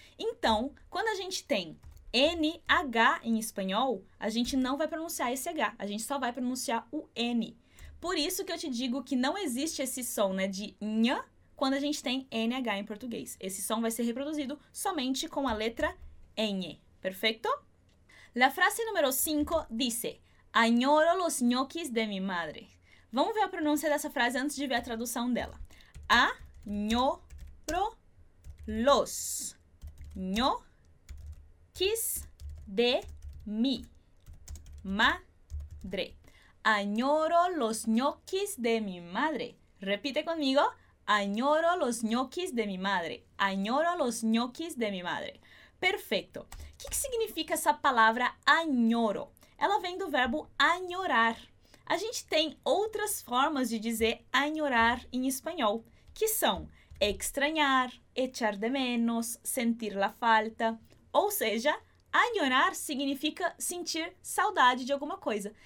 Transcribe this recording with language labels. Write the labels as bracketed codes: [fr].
[pt] Então, quando a gente tem NH em espanhol, a gente não vai pronunciar esse H, a gente só vai pronunciar o N. Por isso que eu te digo que não existe esse som, né, de nh quando a gente tem NH em português. Esse som vai ser reproduzido somente com a letra N. Perfeito? [es] La frase número 5 dice: añoro los ñoquis de mi madre. [pt] Vamos ver a pronúncia dessa frase antes de ver a tradução dela. [es] Añoro los ñoquis de mi madre. Añoro los ñoquis de mi madre. Repite conmigo. Añoro los ñoquis de mi madre. Añoro los ñoquis de mi madre. [pt] Perfeito. O que significa essa palavra añoro? Ela vem do verbo añorar. A gente tem outras formas de dizer añorar em espanhol, que são [es] extrañar, echar de menos, sentir la falta. [pt] Ou seja, añorar significa sentir saudade de alguma coisa.